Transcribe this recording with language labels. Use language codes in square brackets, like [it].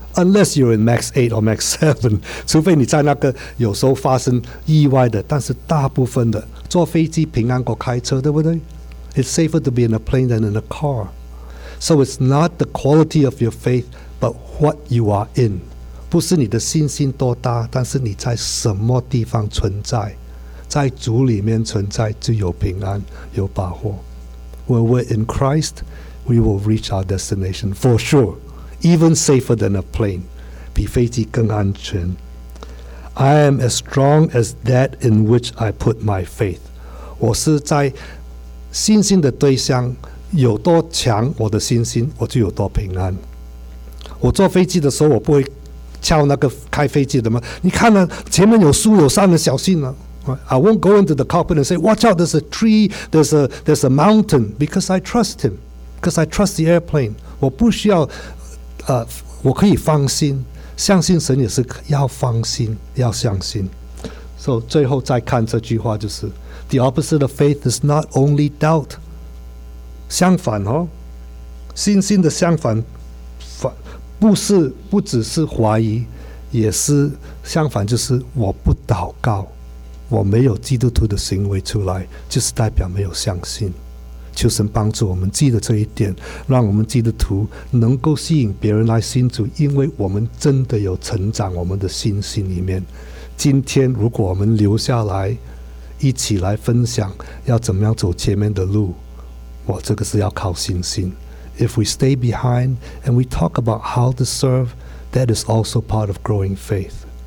[en] Unless you're in Max 8 or Max 7, [zh] 除非你在那个有时候发生意外的，但是大部分的坐飞机平安过开车，对不对？ [en] It's safer to be in a plane than in a car. So it's not the quality of your faith, but what you are in. [zh] 不是你的信心多大，但是你在什么地方存在，在主里面存在就有平安，有把握。 [en] When we're in Christ, we will reach our destination for sure. Even safer than a plane, [zh] 比飞机更安全。 [en] I am as strong as that in which I put my faith. [zh] 我是在信心的对象，有多强我的信心，我就有多平安。我坐飞机的时候，我不会敲那个开飞机的门，你看了、啊、前面有树有山的，小心啊。 [en] I won't go into the cockpit and say, watch out, there's a tree, there's a mountain, because I trust him, because I trust the airplane. [zh] 我不需要我可以放心，相信神也是要放心，要相信。 [en] So, [zh] 最后再看这句话，就是 [en] The opposite of faith is not only doubt. [zh] 相反哦，信心的相反，不只是怀疑，也是相反，就是我不祷告，我没有基督徒的行为出来，就是代表没有相信。求神帮助我们记得这一点，让我们基督徒能够吸引别人来信主，因为我们真的有成长我们的信心里面。今天如果我们留下来一起来分享要怎么样走前面的路，哇，这个是要靠信心。 [en] If we stay behind and we talk about how to serve, that is also part of growing faith.